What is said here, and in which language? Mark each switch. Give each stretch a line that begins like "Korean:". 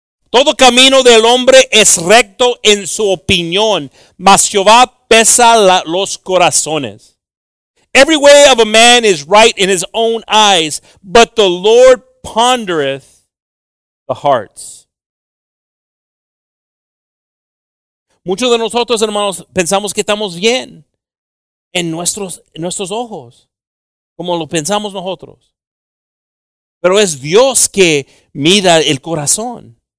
Spanish: Todo camino del hombre es recto en su opinión, mas Jehová pesa los corazones.
English: Every way of a man is right in his own eyes, but the Lord pondereth the hearts.
Spanish: Muchos de nosotros, hermanos, pensamos que estamos bien en nuestros ojos, como lo pensamos nosotros. Pero es Dios que mira el corazón.